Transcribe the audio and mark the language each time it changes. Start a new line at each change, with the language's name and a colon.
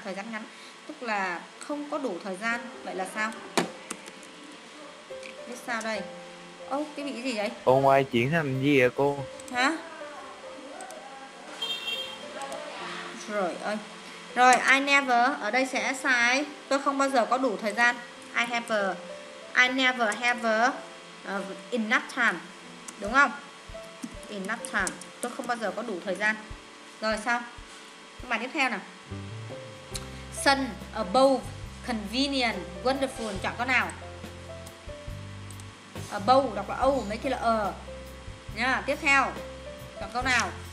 Vietnamese: Thời gian ngắn tức là không có đủ thời gian, vậy là sao? Biết sao đây? Ô, cái bị gì vậy? Ô ngoài chuyển thành gì vậy cô? Hả? Trời ơi. Rồi,
English: I never,
Vietnamese: ở đây sẽ sai. Tôi không bao giờ có đủ thời gian.
English: I never have enough time.
Vietnamese: Đúng không?
English: Enough time.
Vietnamese: Tôi không bao giờ có đủ thời gian. Rồi sao? Các bạn tiếp theo nào.
English: Sun, above, convenient, wonderful,
Vietnamese: chọn con nào? Above, đọc là O, mấy khi là ờ. Nha, tiếp theo, chọn câu nào?